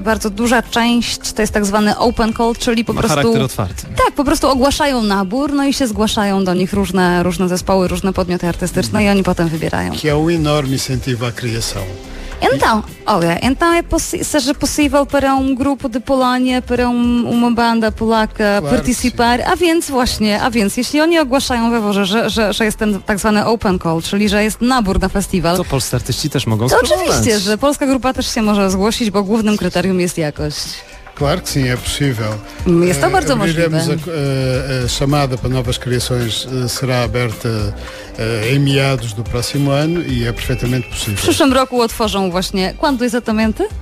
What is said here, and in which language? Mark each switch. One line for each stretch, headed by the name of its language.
Polish: bardzo duża część to jest tak zwany open call, czyli po prostu... charakter otwarty. Tak, po prostu ogłaszają nabór, no i się zgłaszają do nich różne zespoły, różne podmioty artystyczne i oni potem wybierają.
Portuguese: Que é um enorme incentivo à criação. Então, olha, então é seja possível para um grupo de Polónia, para uma banda polaka, claro, participar.
Polish: A więc właśnie, jeśli oni ogłaszają we Włoszech, że jest ten tak zwany open call, czyli że jest nabór na festiwal, to polscy artyści też mogą spróbować. Oczywiście, że polska grupa też się może zgłosić, bo głównym kryterium jest jakość.
Portuguese: Claro que sim, é possível.
Polish: Jest to bardzo możliwe.
Portuguese: Abriremos a chamada para novas criações, será aberta em meados do próximo ano e é perfeitamente possível.
Polish: W przyszłym roku otworzą właśnie,
Portuguese: quando exatamente?